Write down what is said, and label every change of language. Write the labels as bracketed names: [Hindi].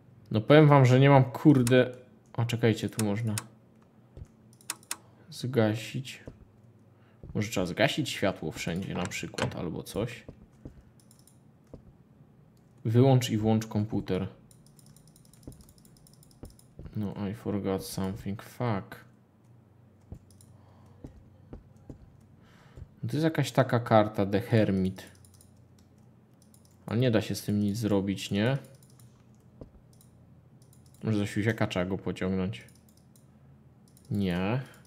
[Polish] No powiem wam, że nie mam kurde... O, czekajcie, tu można... Zgasić... Może trzeba zgasić światło wszędzie na przykład, albo coś. Wyłącz i włącz komputer. [English] No, I forgot something, fuck. [Polish] To jest jakaś taka karta, The Hermit. Ale nie da się z tym nic zrobić, nie? Może za siusiaka trzeba go pociągnąć. Nie.